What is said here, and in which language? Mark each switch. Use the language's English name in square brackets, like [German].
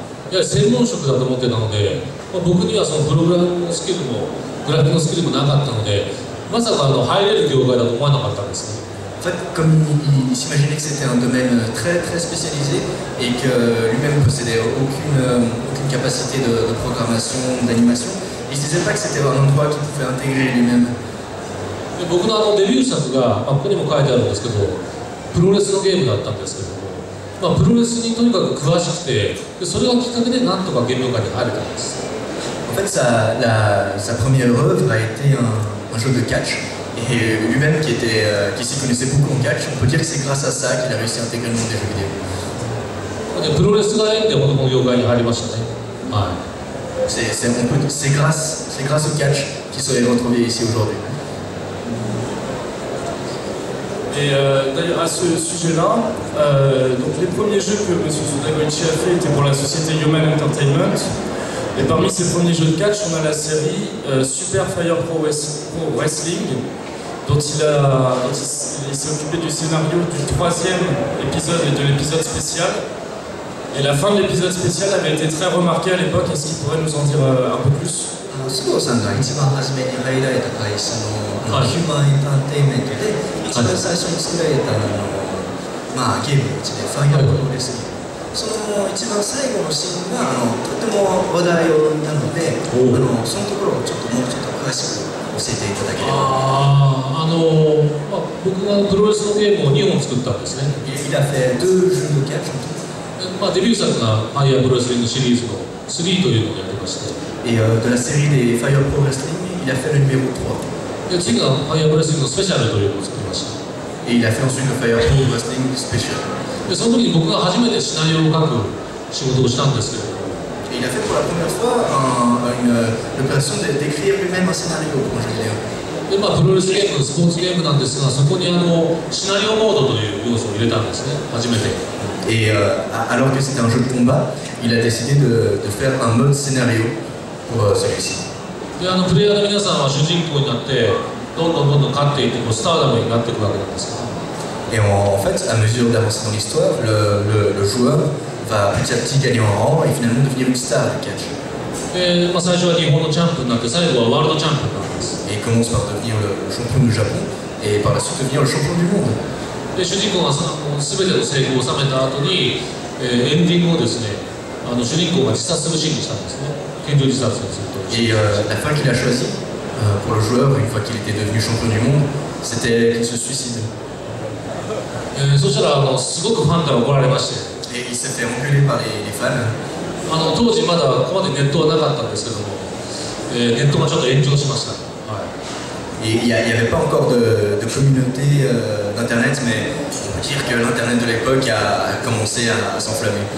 [Japanese] いや専門職だと思ってたので、まあ、僕にはそのプログラムのスキルもグラフィックのスキルもなかったので、まさかあの入れる業界だと思わなかったんですね。 [French] En fait, comme il s'imaginait que c'était un domaine très très spécialisé et que lui-même ne possédait aucune capacité de programmation, d'animation, il ne disait pas que c'était un endroit qu'il pouvait intégrer lui-même. [Japanese] 僕のあのデビュー作が、まあ、ここにも書いてあるんですけど、プロレスのゲームだったんですけど。まあ、プロレスにとにかく詳しくて、それがきっかけでなんとかゲーム界に入れたんです。 [French] En fait, sa première œuvre a été un jeu de catch. Et lui-même qui s'y connaissait beaucoup en catch, on peut dire que c'est grâce à ça qu'il a réussi à intégrer le monde des jeux vidéo. [Japanese] で、プロレスが縁でこの業界に入りましたね。はい。 [French] C'est grâce au catch qu'il soit retrouvé ici aujourd'hui. Et d'ailleurs, à ce sujet-là, donc les premiers jeux que M. Sudakoichi a fait étaient pour la société Human Entertainment. Et parmi ces premiers jeux de catch, on a la série Super Fire Pro Wrestling, dont il s'est occupé du scénario du troisième épisode et de l'épisode spécial. Et la fin de l'épisode spécial avait été très remarquée à l'époque. Est-ce qu'il pourrait nous en dire un peu plus ? [Japanese] スゴーさんが一番初めに入られた会社のヒューマンエンターテインメントで一番最初に作られたの、まあ、ゲームのうちでファイアルプロレスリング、その一番最後のシーンがとても話題を呼んだので、そのところをちょっともうちょっと詳しく教えていただければ。僕がプロレスのゲームを2本作ったんですね。イラフェドゥージュのキャプション、まあ、デビュー作がファイアルプロレスリングシリーズの3というのをやってまして、 [French] De la série des Fire Pro Wrestling, il a fait le numéro 3. Et il a fait ensuite le Fire Pro Wrestling Special. Et il a fait pour la première fois la passion d'écrire lui-même un scénario pour un jeu vidéo. Et pour le wrestling, le sport game, dans des scènes, il y a un scénario mode qui est le premier. Et alors que c'était un jeu de combat, il a décidé de faire un mode scénario. [Japanese] であのプレイヤーの皆さんは主人公になってどんどん勝っていってスターダムになっていくわけなんですけど、 [French] en fait, à mesure d'avancer dans l'histoire, le joueur va petit à petit gagner en rang et finalement devenir une star de catch. [Japanese] で、まあ、最初は日本のチャンプになって最後はワールドチャンプになるんです。 [French] Et commence par devenir le champion du Japon et par la suite devenir le champion du monde. [Japanese] で主人公が全ての成功を収めた後に、エンディングをですね、あの主人公が自殺するシーンにしたんですね。拳銃自殺をすると。 [French] Et la fin qu'il a choisi pour le joueur une fois qu'il était devenu champion du monde, c'était qu'il se suicide. [Japanese] そしたらあのすごくファンから怒られまして。 [French] Et il s'est fait engueuler par les fans。 [Japanese] あの当時まだここまでネットはなかったんですけども、ネットがちょっと炎上しました。 [French] Il n'y avait pas encore de communauté d'internet, mais on peut dire que l'internet de l'époque a commencé à s'enflammer.